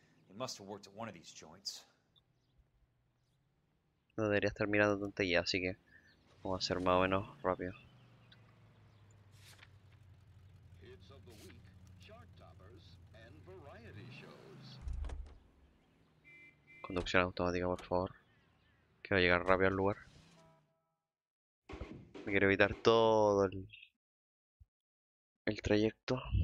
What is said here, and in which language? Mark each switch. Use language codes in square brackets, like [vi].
[en] Must have worked at one of these joints. [es] No debería estar mirando tanto ya, así que vamos a hacer más o menos rápido. [en] Hits of the week, chart toppers and variety shows. [es] Conducción automática, por favor. Quiero llegar rápido al lugar. Me quiero evitar todo el trayecto.